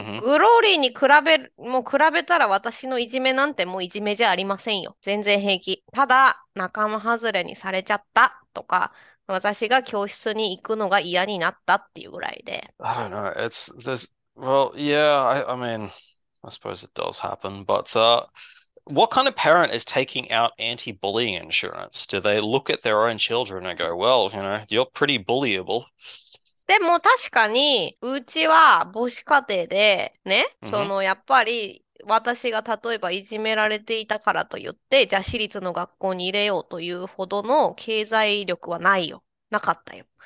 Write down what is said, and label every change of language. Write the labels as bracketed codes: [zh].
[ja] グローリーに比べたら私のいじめなんてもういじめじゃありませんよ。全然平気。ただ、仲間外れにされちゃったとか、私が教室に行くのが嫌になったっていうぐらいで。 [en] I don't know. It's this. Well, yeah. I mean, I suppose it does happen. But what kind of parent is taking out anti-bullying insurance? Do they look at their own children and go, "Well, you're pretty bullyable." [ja] でも確かに、うちは母子家庭でね、やっぱり私が例えばいじめられていたからと言って、じゃあ私立の学校に入れようというほどの経済力はないよ。なかったよ。